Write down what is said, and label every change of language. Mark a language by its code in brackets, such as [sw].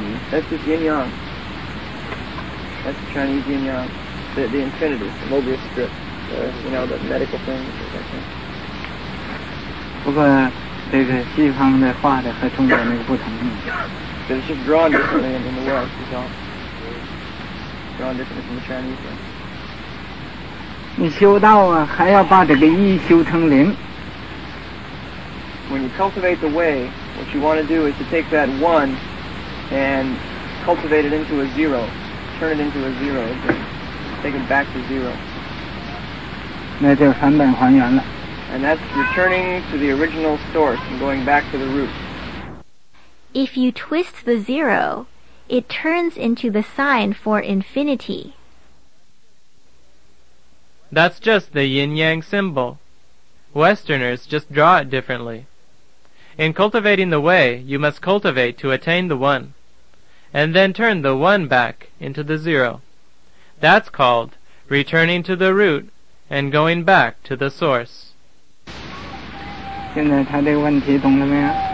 [en] That's the Chinese yin yang, the infinity, the Mobius strip, you know, the medical thing. But it's just drawn differently in the world, you know. Drawn differently from the Chinese one. [zh] 你修道啊，还要把这个一修成零。 [en] When you cultivate the way, what you want to do is to take that one and cultivate it into a zero, turn it into a zero, take it back to zero. [zh] 那就返本还原了。 [en] And that's returning to the original source and going back to the root. If you twist the zero, it turns into the sign for infinity. That's just the yin-yang symbol. Westerners just draw it differently. In cultivating the way, you must cultivate to attain the one, and then turn the one back into the zero. That's called returning to the root and going back to the source. [zh] 现在他的问题懂了没有?